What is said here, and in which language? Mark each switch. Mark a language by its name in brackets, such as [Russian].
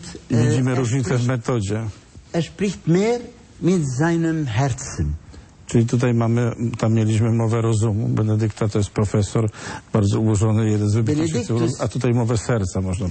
[Polish] Widzimy różnicę w metodzie. [German] Er spricht mehr mit seinem Herzen. [Polish] Czyli tutaj mamy, tam mieliśmy mowę rozumu. Benedykta to jest profesor, bardzo ułożony, jeden z wybitych się cywilów, a tutaj mowę serca, można